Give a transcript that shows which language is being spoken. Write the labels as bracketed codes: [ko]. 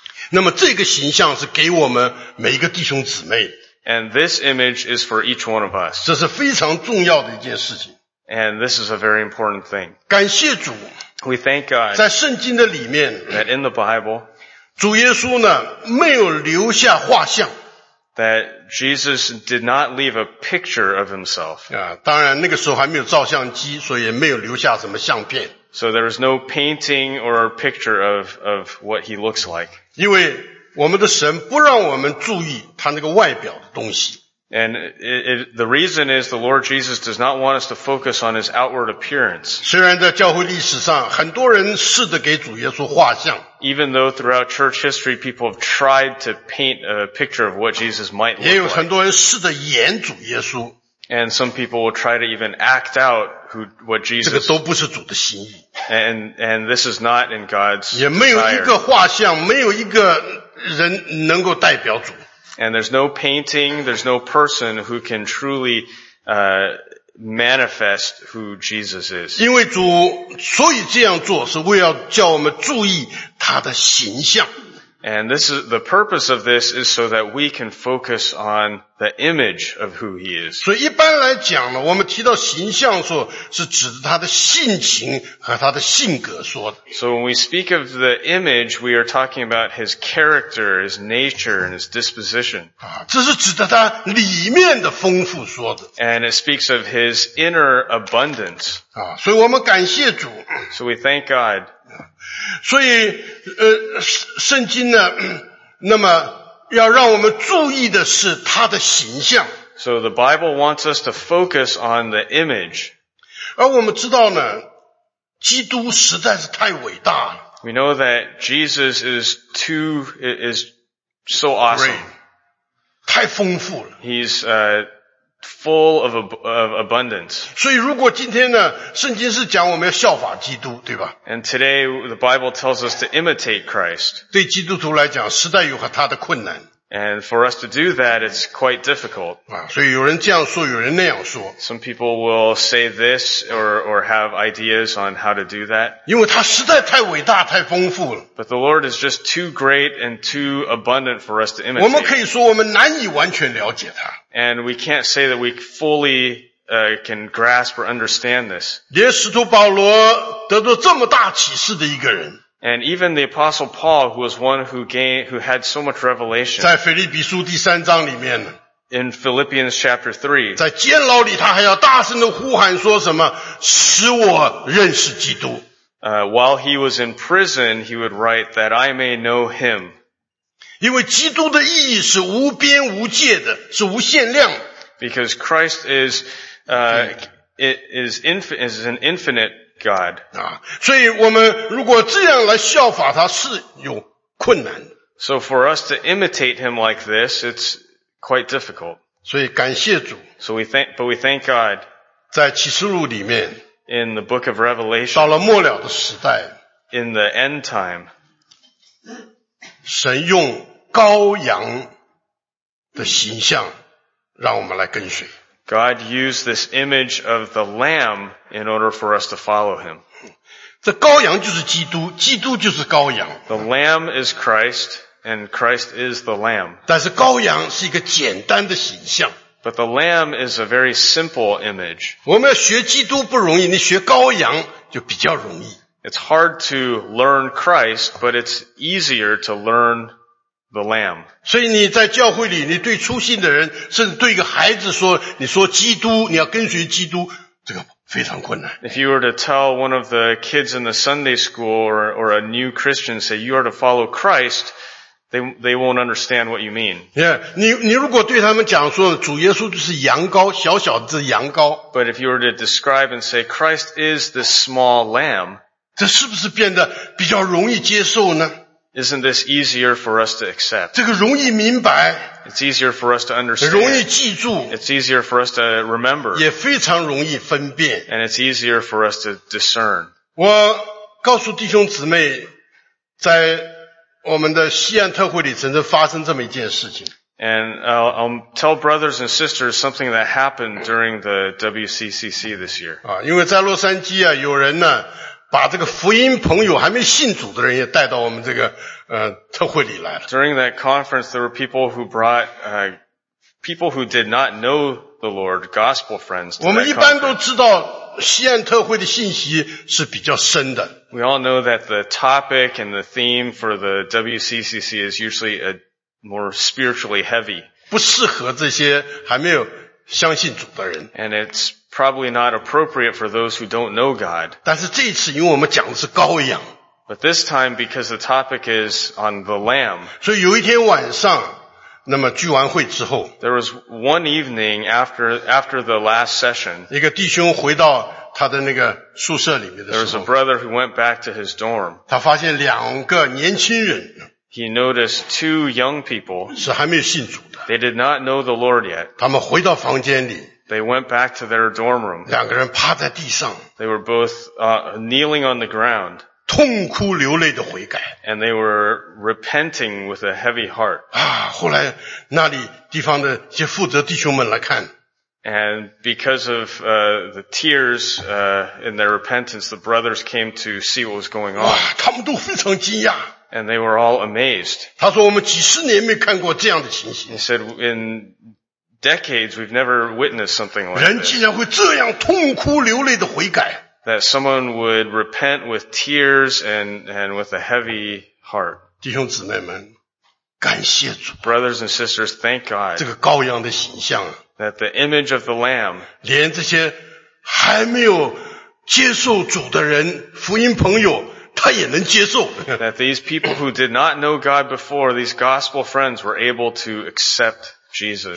[zh] 那么这个形象是给我们每一个弟兄姊妹。 [en] And this image is for each one of us. [zh] 这是非常重要的一件事情。 [en] And this is a very important thing. [zh] 感谢主。 [en] We thank God. [zh] 在圣经的里面 [en] ，that in the Bible, [zh] 主耶稣呢没有留下画像。 [en] That Jesus did not leave a picture of himself. [zh] 当然那个时候还没有照相机，所以也没有留下什么相片。 [en] So there is no painting or picture of what he looks like. [zh] 因为我们的神不让我们注意他那个外表的东西。 [en] And the reason is the Lord Jesus does not want us to focus on his outward appearance. [zh] 虽然在教会历史上很多人试着给主耶稣画像。 [en] Even though throughout church history people have tried to paint a picture of what Jesus might look like. [zh] 也有很多人试着演主耶稣。 [en] And some people will try to even act out what Jesus... [zh] 这个都不是主的心意。 [en] And this is not in God's desire. [zh] 也没有一个画像，没有一个人能够代表主。 [en] And there's no painting, there's no person who can truly manifest who Jesus is. [zh] 因为主所以这样做是为了叫我们注意他的形象。 [en] And this is the purpose of this is so that we can focus on the image of who he is. [zh] 所以一般来讲呢，我们提到形象说，是指他的性情和他的性格说的。 [en] So when we speak of the image, we are talking about his character, his nature, and his disposition. [zh] 这是指的他里面的丰富说的。 [en] And it speaks of his inner abundance. [zh] 所以我们感谢主。 [en] So we thank God. [zh] 所以圣经呢那么要让我们注意的是他的形象。 [en] So the Bible wants us to focus on the image. [zh] 而我们知道呢基督实在是太伟大了。 [en] We know that Jesus is so awesome. [zh] Great. 太丰富了。 [en] He's full of abundance. [zh] 所以如果今天呢圣经是讲我们要效法基督对吧 [en] And today the Bible tells us to imitate Christ. [zh] 对基督徒来讲实在有和他的困难。 [en] And for us to do that, it's quite difficult. [zh] 所以有人这样说有人那样说。 [en] Some people will say this or have ideas on how to do that. [zh] 因为他实在太伟大太丰富了。 [en] But the Lord is just too great and too abundant for us to imitate. [zh] 我们可以说我们难以完全了解他。 [en] And we can't say that we fully, can grasp or understand this. [zh] 连使徒保罗得到这么大启示的一个人。 [en] And even the Apostle Paul, who was one who had so much revelation. [zh] 在腓立比书第三章里面。 [en] In Philippians chapter 3. [zh] 在监牢里他还要大声地呼喊说什么，使我认识基督。 [en] While he was in prison, he would write that I may know him. [zh] 因为基督的意义是无边无界的，是无限量。 [en] Because Christ is, is an infinite God. [zh] 所以我们如果这样来效法他是有困难的。 [en] So for us to imitate him like this, it's quite difficult. [zh] 所以感谢主。 [en] So we thank God. [zh] 在启示录里面。 [en] In the book of Revelation. [zh] 到了末了的时代。 [en] In the end time. [zh] 神用羔羊的形象让我们来跟随。 [en] God used this image of the lamb in order for us to follow him. [zh] 这羔羊就是基督，基督就是羔羊。 [en] The lamb is Christ, and Christ is the lamb. [zh] 但是羔羊是一个简单的形象。 [en] But the lamb is a very simple image. [zh] 我们要学基督不容易，你学羔羊就比较容易。 [en] It's hard to learn Christ, but it's easier to learn the lamb. [zh] 所以你在教会里你对初信的人甚至对一个孩子说你说基督你要跟随基督这个非常困难。 [en] If you were to tell one of the kids in the Sunday school or a new Christian say you are to follow Christ, they won't understand what you mean. [zh] Yeah, 你如果对他们讲说主耶稣就是羊羔小小的羊羔。 [en] But if you were to describe and say Christ is this small lamb, [zh] 这是不是变得比较容易接受呢？ [en] Isn't this easier for us to accept? [zh] 这个容易明白。 [en] It's easier for us to understand. [zh] 容易记住。 [en] It's easier for us to remember. [zh] 也非常容易分辨。 [en] And it's easier for us to discern. [zh] 我告诉弟兄姊妹，在我们的西安特会里曾经发生这么一件事情。 [en] And I'll tell brothers and sisters something that happened during the WCCC this year. [zh] 因为在洛杉矶啊，有人呢把这个福音朋友还没信主的人也带到我们这个特会里来了。 [en] During that conference, there were people who brought people who did not know the Lord, gospel friends. [zh] 我们一般都知道西安特会的信息是比较深的。 [en] We all know that the topic and the theme for the WCCC is usually a more spiritually heavy. [zh] 不适合这些还没有相信主的人。 [en] And it's probably not appropriate for those who don't know God. [zh] 但是这一次因为我们讲的是羔羊。 [en] But this time because the topic is on the lamb. [zh] 所以有一天晚上那么聚完会之后。 [en] There was one evening after the last session. [zh] 一个弟兄回到他的那个宿舍里面的时候。 [en] There was a brother who went back to his dorm. [zh] 他发现两个年轻人。 [en] He noticed two young people. [zh] 是还没有信主的。 [en] They did not know the Lord yet. [zh] 他们回到房间里。 [en] They went back to their dorm room. [zh] 两个人趴在地上。 [en] They were both kneeling on the ground. [zh] 痛哭流泪的悔改。 [en] And they were repenting with a heavy heart. [zh] 啊，后来那里地方的一些负责弟兄们来看。 [en] And because of the tears in their repentance, the brothers came to see what was going on. [zh] 哇，他们都非常惊讶。 [en] And they were all amazed. [zh] 他说我们几十年没看过这样的情形。 [en] He said, in decades, we've never witnessed something like this. [zh] 人竟然会这样痛哭流泪的悔改。 [en] That someone would repent with tears and with a heavy heart. [zh] 弟兄姊妹们，感谢主。 [en] Brothers and sisters, thank God. [zh] 这个羔羊的形象。 [en] That the image of the lamb. [zh] 连这些还没有接受主的人，福音朋友，他也能接受。 [en] That these people who did not know God before, these gospel friends were able to accept Jesus.